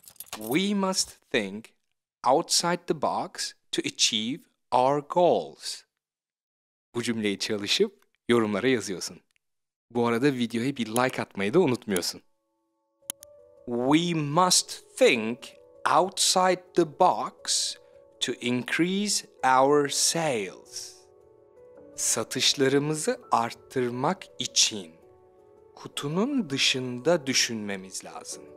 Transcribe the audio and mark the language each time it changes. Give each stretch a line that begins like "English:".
English: We must think outside the box to achieve our goals.
Turkish: Bu cümleyi çalışıp yorumlara yazıyorsun. Bu arada videoya bir like atmayı da unutmuyorsun.
English: We must think outside the box to increase our sales.
Turkish: Satışlarımızı arttırmak için kutunun dışında düşünmemiz lazım.